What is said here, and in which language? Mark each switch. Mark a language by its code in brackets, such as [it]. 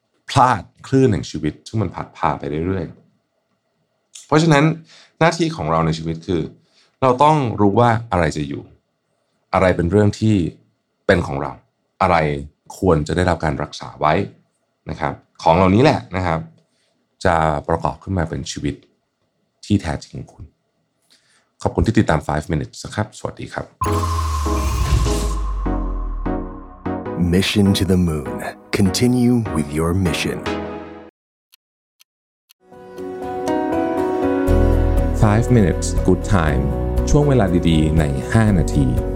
[th] พลาดคลื่นแห่งชีวิตที่มันพัดพาไปเรื่อยๆเพราะฉะนั้นหน้าที่ของเราในชีวิตคือเราต้องรู้ว่าอะไรจะอยู่อะไรเป็นเรื่องที่เป็นของเราอะไรควรจะได้รับการรักษาไว้นะครับของเหล่านี้แหละนะครับจะประกอบขึ้นมาเป็นชีวิตที่แท้จริงของคุณขอบคุณที่ติดตาม5 minutes นะครับสวัสดีครับ [en] Mission to the Moon Continue with your mission [th] 5 minutes good time ช่วงเวลาดีๆใน5นาที